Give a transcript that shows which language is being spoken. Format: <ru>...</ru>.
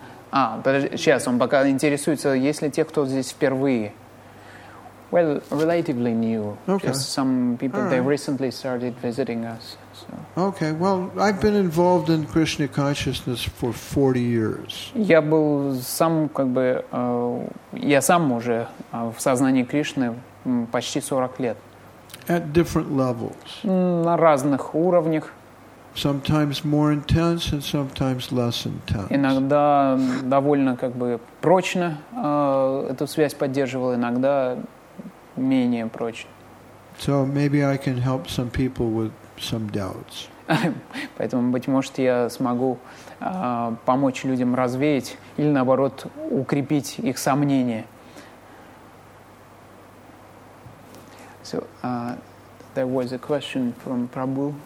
<ru>А, подожди, сейчас, он пока интересуется, есть ли те, кто здесь впервые?</ru> <en>Well, relatively new. Okay. Just some people, right. They recently started visiting us. So. Okay, well, I've been involved in Krishna consciousness for 40 years.</en> <ru>Я был сам, я сам уже в сознании Кришны почти 40 лет.</ru> <en>At different levels.</en> <ru>На разных уровнях.</ru> <en>Sometimes more intense and sometimes less intense.</en> <ru>Иногда довольно прочно эту связь поддерживал, иногда менее прочно.</ru> <en>So maybe I can help some people with some doubts.</en> <ru>Поэтому, быть может, я смогу помочь людям развеять или, наоборот, укрепить их сомнения.</ru> <en>So, there was a question from Prabhu.</en>